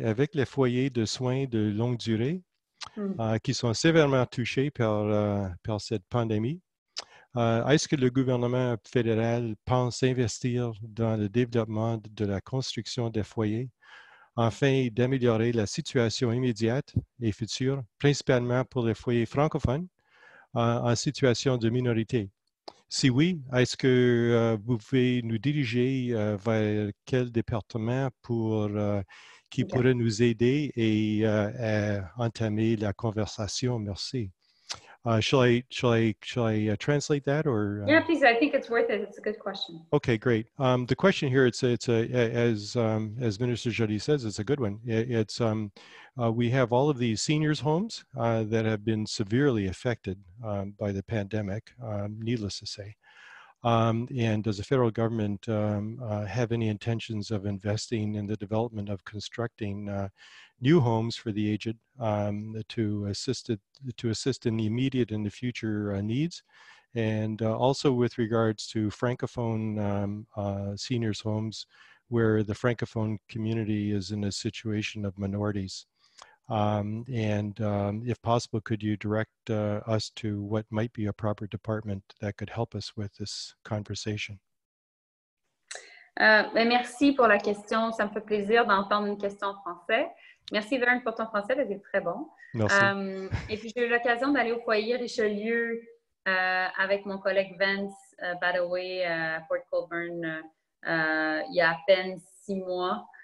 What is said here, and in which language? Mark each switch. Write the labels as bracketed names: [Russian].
[French] Avec les foyers de soins de longue durée qui sont sévèrement touchés par cette pandémie, est-ce que le gouvernement fédéral pense investir dans le développement de la construction des foyers afin d'améliorer la situation immédiate et future, principalement pour les foyers francophones, en situation de minorité? Si oui, est-ce que vous pouvez nous diriger vers quel département pourrait nous aider et entamer la conversation? Merci. [English] Shall I translate that, or? Yeah, please. I think it's worth it. It's a good question. Okay, great. The question here, as Minister Joly says, it's a good one. We have all of these seniors' homes that have been severely affected by the pandemic, needless to say. And does the federal government have any intentions of investing in the development of constructing new homes for the aged to assist in the immediate and the future needs? And also with regards to Francophone seniors homes, where the Francophone community is in a situation of minorities. If possible, could you direct us to what might be a proper department that could help us with this conversation? [French] Merci pour la question. Ça me fait plaisir d'entendre une question en français. Merci, Vern, pour ton français. Vous êtes très bon. Merci. Et puis, j'ai eu l'occasion d'aller au foyer Richelieu avec mon collègue Vince Badaway à Fort Colborne il y a à peine 6 mois.